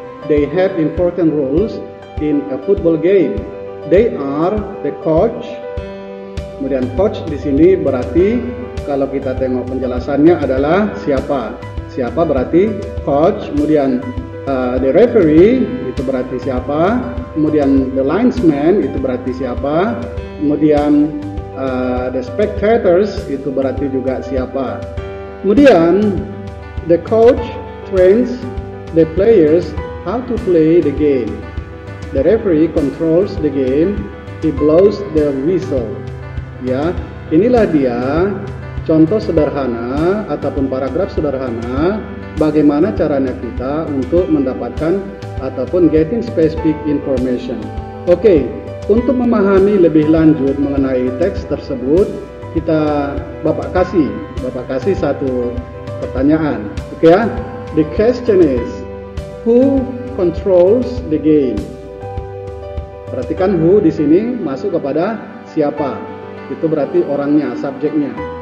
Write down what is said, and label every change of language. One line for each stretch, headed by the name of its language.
English: They have important roles in a football game. They are the coach.
Indonesian: Kemudian coach di sini berarti kalau kita tengok penjelasannya adalah siapa. Siapa berarti coach, kemudian the referee itu berarti siapa, kemudian the linesman itu berarti siapa, kemudian the spectators itu berarti juga siapa. Kemudian
English: the coach trains the players how to play the game. The referee controls the game, he blows the whistle.
Indonesian: Ya, inilah dia contoh sederhana ataupun paragraf sederhana bagaimana caranya kita untuk mendapatkan ataupun
English: getting specific information.
Indonesian: Oke, untuk memahami lebih lanjut mengenai teks tersebut, kita Bapak kasih satu pertanyaan. Oke ya,
English: the question is, who controls the game?
Indonesian: Perhatikan who di sini masuk kepada siapa. Itu berarti orangnya, subjeknya.